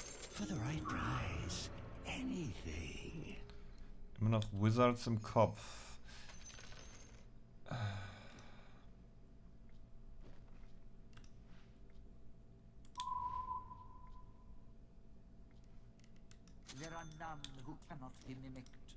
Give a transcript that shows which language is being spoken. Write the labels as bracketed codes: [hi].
[en] For the right price, anything. [de] Immer noch Wizards im Kopf. [en] There are none who cannot be mimicked.